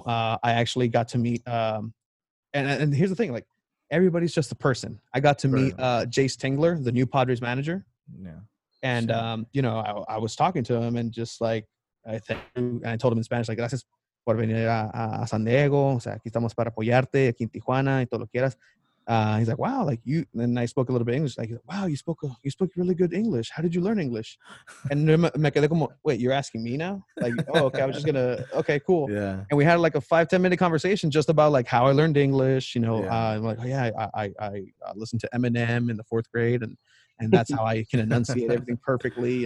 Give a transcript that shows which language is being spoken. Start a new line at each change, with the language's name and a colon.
English: I actually got to meet, and here's the thing, like, everybody's just a person. I got to meet Jace Tingler, the new Padres manager. Yeah. And, you know, I was talking to him and just like, I told him in Spanish, like,
Spanish: gracias por venir a San Diego. O sea, aquí estamos para apoyarte, aquí en Tijuana y todo lo quieras.
English: He's like, wow, like you, and I spoke a little bit English. Like, wow, you spoke really good English. How did you learn English? And
Spanish: me quedé como,
English: wait, you're asking me now? Like, oh, okay, I was just gonna, okay, cool. Yeah. And we had like a 5-10 minute conversation just about like how I learned English, you know. Yeah. I'm like, oh, yeah, I listened to Eminem in the fourth grade, and that's how I can enunciate everything perfectly.